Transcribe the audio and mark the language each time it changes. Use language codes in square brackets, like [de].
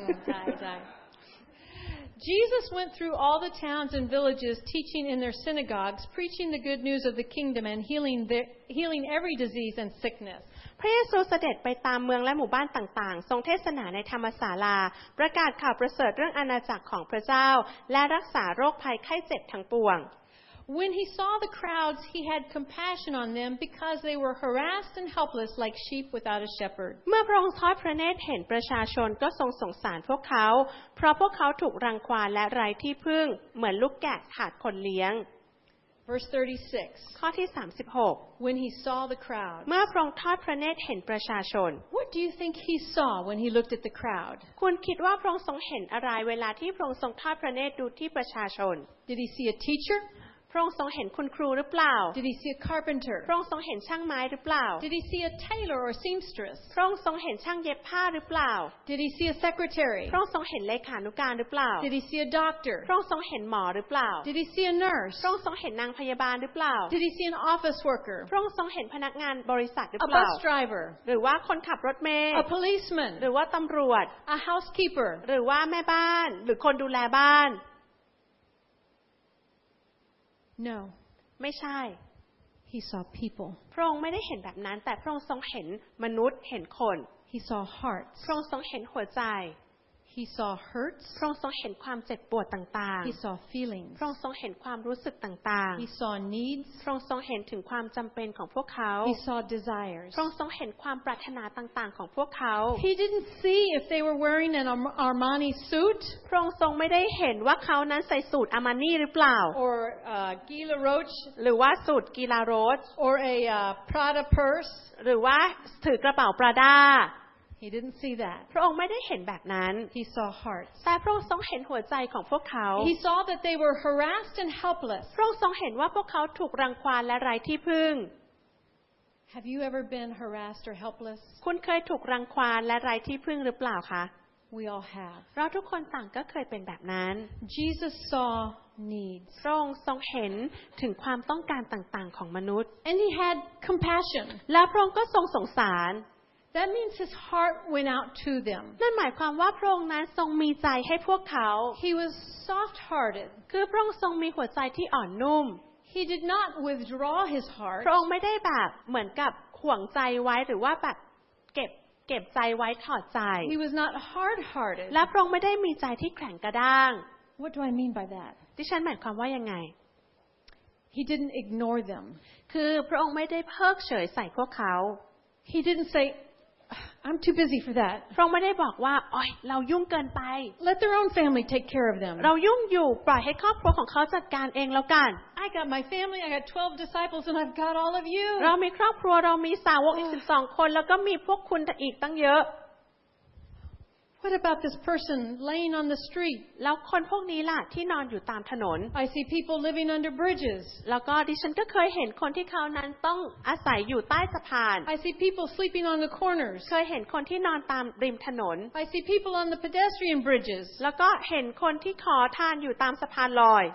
[th] ใช่ๆ [en] Jesus went through all the towns and villages teaching in their synagogues preaching the good news of the kingdom and healing every disease and sickness [th] พระเยซูเสด็จไปตามเมืองและหมู่บ้านต่างๆทรงเทศนาในธรรมศาลาประกาศข่าวประเสริฐเรื่องอาณาจักรของพระเจ้าและรักษาโรคภัยไข้เจ็บทั้งปวง [en] When he saw the crowds he had compassion on them because they were harassed and helpless like sheep without a shepherd [th] เมื่อพระองค์ทอดพระเนตรเห็นประชาชนก็ทรงสงสารพวกเขาเพราะพวกเขาถูกรังควานและไร้ที่พึ่งเหมือนลูกแกะขาดคนเลี้ยง [en] Verse 36. [th] ข้อที่36. [en] When he saw the crowd. [th] เมื่อพระองค์ทอดพระเนตรเห็นประชาชน [en] What do you think he saw when he looked at the crowd? [th] คุณคิดว่าพระองค์ทรงเห็นอะไรเวลาที่พระองค์ทรงทอดพระเนตรดูที่ประชาชน [en] Did he see a teacher? [th] พระองค์ทรงเห็นคุณครูหรือเปล่า [en] Did he see a carpenter? [th] พระองค์ทรงเห็นช่างไม้หรือเปล่า [en] Did he see a tailor or seamstress? [th] พระองค์ทรงเห็นช่างเย็บผ้าหรือเปล่า [en] Did he see a secretary? [th] พระองค์ทรงเห็นเลขานุการหรือเปล่า [en] Did he see a doctor? [th] พระองค์ทรงเห็นหมอหรือเปล่า [en] Did he see a nurse? [th] พระองค์ทรงเห็นนางพยาบาลหรือเปล่า [en] Did he see an office worker? [th] พระองค์ทรงเห็นพนักงานบริษัทหรือเปล่ า [en] A bus driver [th] หรือว่าคนขับรถเมล์ [en] A policeman [th] หรือว่าตำรวจ [en] A housekeeper [th] หรือว่าแม่บ้านหรือคนดูแลบ้าน [en] No. [th] ไม่ใช่ [en] He saw people. [th] พระองค์ไม่ได้เห็นแบบนั้นแต่พระองค์ทรงเห็นมนุษย์เห็นคน [en] He saw hearts. [th] พระองค์ทรงเห็นหัวใจ [en] He saw hurts. [th] พระองค์ทรงเห็นความเจ็บปวดต่างๆ [en] He saw feelings. [th] พระองค์ทรงเห็นความรู้สึกต่างๆ [en] He saw needs. [th] พระองค์ทรงเห็นถึงความจำเป็นของพวกเขา [en] He saw desires. [th] พระองค์ทรงเห็นความปรารถนาต่างๆของพวกเขา [en] He didn't see if they were wearing an Armani suit. [th] พระองค์ทรงไม่ได้เห็นว่าเขานั้นใส่สูท Armani หรือเปล่า [en] Or Gila Roche. [th] หรือว่าสูท Gila Roche. [en] Or a Prada purse. [th] หรือว่าถือกระเป๋า Prada [en] He didn't see that. [th] พระองค์ไม่ได้เห็นแบบนั้น [en] He saw hearts. [th] แต่พระองค์ทรงเห็นหัวใจของพวกเขา [en] He saw that they were harassed and helpless. [th] พระองค์ทรงเห็นว่าพวกเขาถูกรังควานและไร้ที่พึ่ง [en] Have you ever been harassed or helpless? [th] คุณเคยถูกรังควานและไร้ที่พึ่งหรือเปล่าคะ [en] We all have. [th] เราทุกคนต่างก็เคยเป็นแบบนั้น [en] Jesus saw needs. [th] พระองค์ทรงเห็นถึงความต้องการต่างๆของมนุษย์ [en] And he had compassion. [th] และพระองค์ก็ทรงสงสาร [en] That means his heart went out to them. [th] นั่นหมายความว่าพระองค์นั้นทรงมีใจให้พวกเขา [en] He was soft-hearted. [th] คือพระองค์ทรงมีหัวใจที่อ่อนนุ่ม [en] He did not withdraw his heart. [th] พระองค์ไม่ได้แบบเหมือนกับขวงใจไว้หรือว่าแบบเก็บใจไว้ถอดใจ [en] He was not hard-hearted. [th] และพระองค์ไม่ได้มีใจที่แข็งกระด้าง [en] What do I mean by that? [th] ดิฉันหมายความว่ายังไง [en] He didn't ignore them [th] คือพระองค์ไม่ได้เพิกเฉยใส่พวกเขา [en] He didn't say I'm too busy for that [th] พระองค์ไม่ได้บอกว่าโอ๊ยเรายุ่งเกินไป [en] Let their own family take care of them [th] เรายุ่งอยู่ปล่อยให้ครอบครัวของเขาจัดการเองแล้วกัน [en] I got my family I got 12 disciples and I've got all of you [th] เรามีครอบครัวเรามีสาวกอีก12คนแล้วก็มีพวกคุณอีกตั้งเยอะ [en] What about this person laying on the street? [th] แล้วคนพวกนี้ล่ะที่นอนอยู่ตามถนน [en] I see people living under bridges. [th] แล้วก็ดิฉันก็เคยเห็นคนที่เขานั้นต้องอาศัยอยู่ใต้สะพาน [en] I see people sleeping on the corners. [th] เคยเห็นคนที่นอนตามริมถนน [en] I see people on the pedestrian bridges. [th] แล้วก็เห็นคนที่ขอทานอยู่ตามสะพานลอย